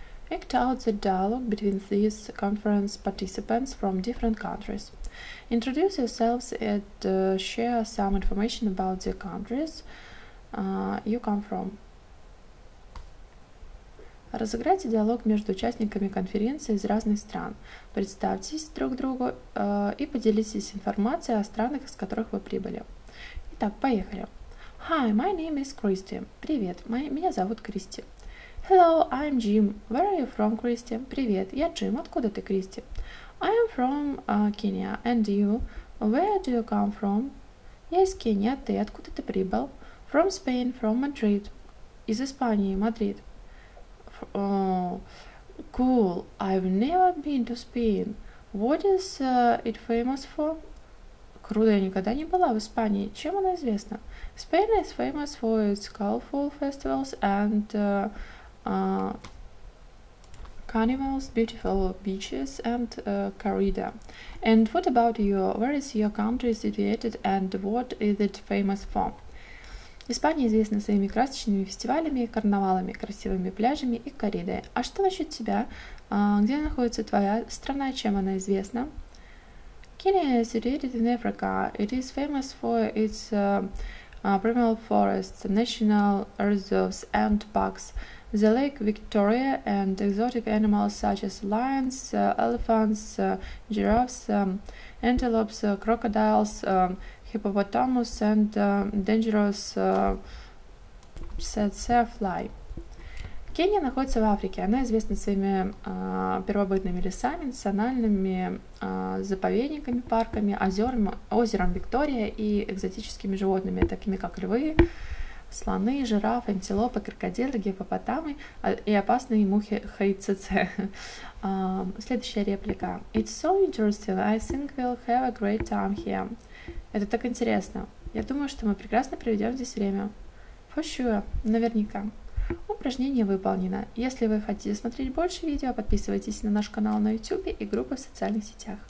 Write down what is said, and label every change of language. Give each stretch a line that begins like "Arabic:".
English: Act out the dialogue between these conference participants from different countries. Introduce yourselves and share some information about the countries you come from.
Russian: Разыграйте диалог между участниками конференции из разных стран. Представьтесь друг другу и поделитесь информацией о странах, из которых вы прибыли. Итак, поехали.
English: Hi, my name is Christy.
Russian: Привет, меня зовут Кристи.
English: Hello, I'm Jim. Where are you from, Christy?
Russian: Привет, я Джим. Откуда ты, Кристи?
English: I am from Kenya. And you? Where do you come from?
Russian: Я из Кении. А ты? Откуда ты прибыл?
English: From Spain. From Madrid.
Russian: Из Испании. Мадрид.
English: Cool. I've never been to Spain. What is it famous for?
Russian: Круто, я никогда не была в Испании. Чем она известна?
English: Spain is famous for its colorful festivals and carnivals, beautiful beaches and corrida. And what about you? Where is your country situated and what is it famous for?
Russian: Испания известна своими красочными фестивалями, карнавалами, красивыми пляжами и корридой. А что насчет тебя? Где находится твоя страна? Чем она известна?
English: Kenya is situated in Africa. It is famous for its primeval forests, national reserves and parks, the Lake Victoria and exotic animals such as lions, elephants, giraffes, antelopes, crocodiles, hippopotamus and dangerous tsetse fly.
Russian: Кения находится в Африке. Она известна своими первобытными лесами, национальными заповедниками, парками, озерами, озером Виктория и экзотическими животными, такими как львы, слоны, жирафы, антилопы, крокодилы, гиппопотамы и опасные мухи хаицеце. Следующая реплика.
English: It's so interesting. I think we'll have a great time here.
Russian: Это так интересно. Я думаю, что мы прекрасно проведем здесь время.
English: For sure.
Russian: Наверняка. Упражнение выполнено. Если вы хотите смотреть больше видео, подписывайтесь на наш канал на YouTube и группы в социальных сетях.